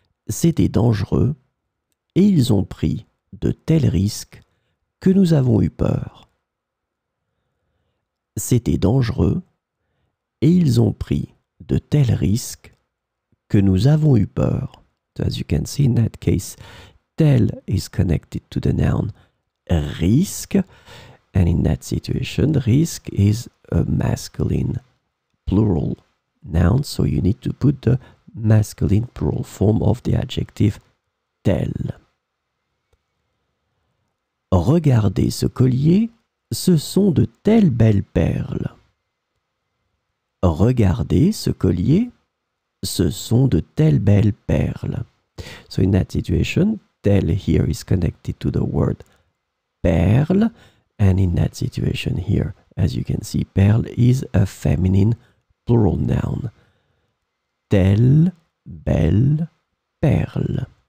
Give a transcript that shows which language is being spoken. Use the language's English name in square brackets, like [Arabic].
[French] C'était dangereux et ils ont pris de tels risques que nous avons eu peur. C'était dangereux et ils ont pris de tels risques que nous avons eu peur. [English] So as you can see in that case, tel is connected to the noun risk, and in that situation, risk is a masculine plural noun, so you need to put the masculine plural form of the adjective tel. [French] Regardez ce collier, ce sont de telles belles perles. Regardez ce collier, ce sont de telles belles perles. [English] So in that situation, tel here is connected to the word perle, and in that situation here, as you can see, perle is a feminine plural noun. [French] Telle belle perle.